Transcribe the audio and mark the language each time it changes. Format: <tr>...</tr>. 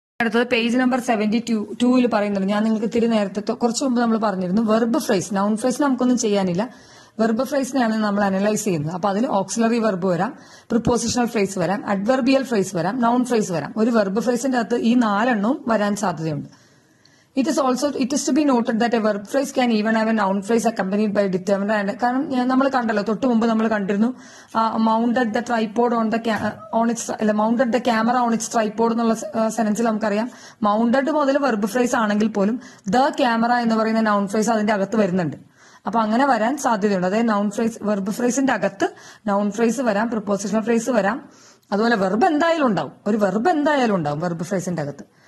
<ml>അടുത്തത് page number 72 പറയുന്നുണ്ട്. ഞാൻ നിങ്ങൾക്ക് തിരി നേരത്തെ കുറച്ച് മുമ്പ് നമ്മൾ പറഞ്ഞിരുന്നു വെർബ് ഫ്രേസ്, നൗൺ ഫ്രേസ് നമുക്കൊന്നും ചെയ്യാനില്ല. വെർബ് ഫ്രേസിനെയാണ് നമ്മൾ അനലൈസ് ചെയ്യുന്നത്. അപ്പൊ അതിൽ ഓക്സിലറി വെർബ് വരാം, പ്രിപ്പോസിഷണൽ ഫ്രേസ് വരാം, അഡ്വെർബിയൽ ഫ്രേസ് വരാം, നൗൺ ഫ്രേസ് വരാം. ഒരു വെർബ് ഫ്രേസിന്റെ അകത്ത് ഈ നാലെണ്ണവും വരാൻ സാധ്യതയുണ്ട്.</ml> <en>It is to be noted that a verb phrase can even have a noun phrase accompanied by a determiner.</en> <ml>കാരണം നമ്മൾ കണ്ടല്ലോ, തൊട്ട് മുമ്പ് നമ്മൾ കണ്ടിരുന്നു</ml> <en>mounted the tripod on the on its mounted the camera on its tripod</en> <ml>എന്നുള്ള സെന്റൻസിൽ നമുക്കറിയാം mounted മുതൽ വെർബ് ഫ്രേസ് ആണെങ്കിൽ പോലും ദ ക്യാമറ എന്ന് പറയുന്ന നൗൺ ഫ്രേസ് അതിന്റെ അകത്ത് വരുന്നുണ്ട്. അപ്പൊ അങ്ങനെ വരാൻ സാധ്യതയുണ്ട്. അതായത് നൗൺ ഫ്രേസ് വെർബ് ഫ്രേസിന്റെ അകത്ത് നൗൺ ഫ്രേസ് വരാം, പ്രിപ്പോസിഷണൽ ഫ്രേസ് വരാം, അതുപോലെ വെർബ് എന്തായാലും ഉണ്ടാവും, ഒരു വെർബ് എന്തായാലും ഉണ്ടാവും വെർബ് ഫ്രേസിന്റെ അകത്ത്.</ml>